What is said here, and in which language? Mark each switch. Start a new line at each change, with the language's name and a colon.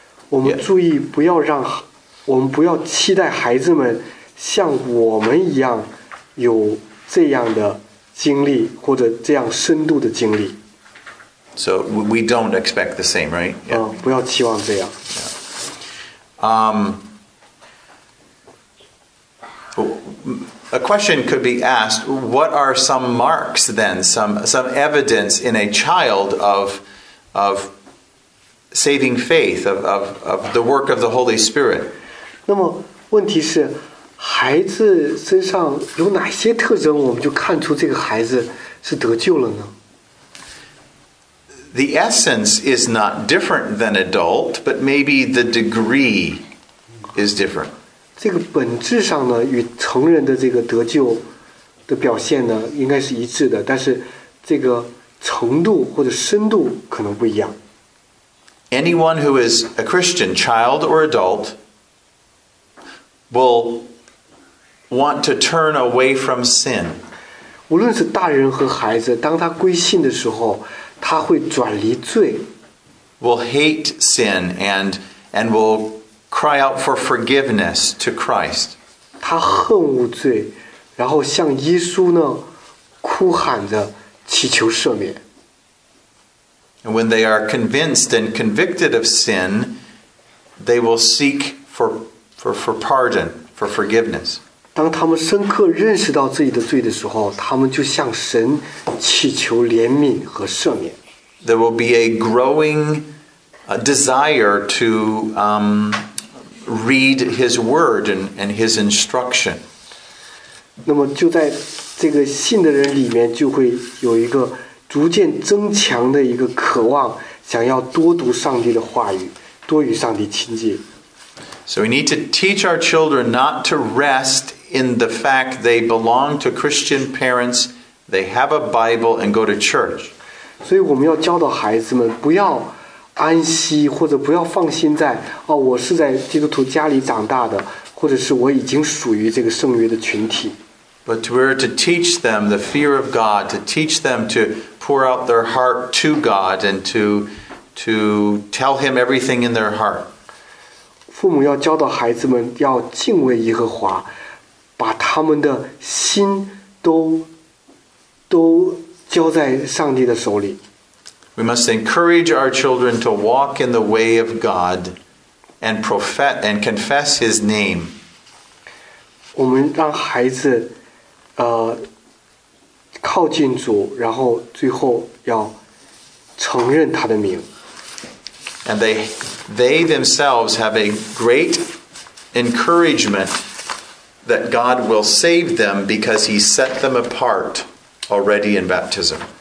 Chinese: 我们注意不要让，我们不要期待孩子们像我们一样有这样的经历或者这样深度的经历。
English: So we don't expect the same, right?
Chinese: Yeah. 不要期望这样。
English: A question could be asked, what are some marks then, some evidence in a child of saving faith, of the work of the Holy Spirit?
Chinese: 那么问题是，孩子身上有哪些特征我们就看出这个孩子是得救了呢？
English: The essence is not different than adult, but maybe the degree is different.
Chinese: 这个本质上呢，与成人的这个得救的表现呢，应该是一致的，但是这个程度或者深度可能不一样。
English: Anyone who is a Christian, child or adult, will want to turn away from sin.
Chinese: 无论是大人和孩子，当他归信的时候，他会转离罪。
English: Will hate sin and will cry out for forgiveness to Christ.
Chinese: 他恨恶罪，然后向耶稣呢哭喊着祈求赦免。
English: And when they are convinced and convicted of sin, they will seek for pardon, for forgiveness.
Chinese: 当他们深刻认识到自己的罪的时候，他们就向神祈求怜悯和赦免。
English: There will be a growing desire to read his word and his instruction.
Chinese: 那么就在这个信的人里面就会有一个逐渐增强的一个渴望，想要多读上帝的话语，多与上帝亲近。
English: So we need to teach our children not to rest in the fact they belong to Christian parents, they have a Bible and go to church.
Chinese: 所以我们要教导孩子们不要安息，或者不要放心在，哦，我是在基督徒家里长大的，或者是我已经属于这个圣约的群体。
English: But we're to teach them the fear of God, to teach them to pour out their heart to God and to tell him everything in their heart.
Chinese: 父母要教导孩子们要敬畏耶和华，把他们的心都交在上帝的手里。
English: We must encourage our children to walk in the way of God and profess and confess his name.
Chinese: 我们让孩子靠近主，然后最后要承认他的名。
English: And they themselves have a great encouragement that God will save them because he set them apart already in baptism.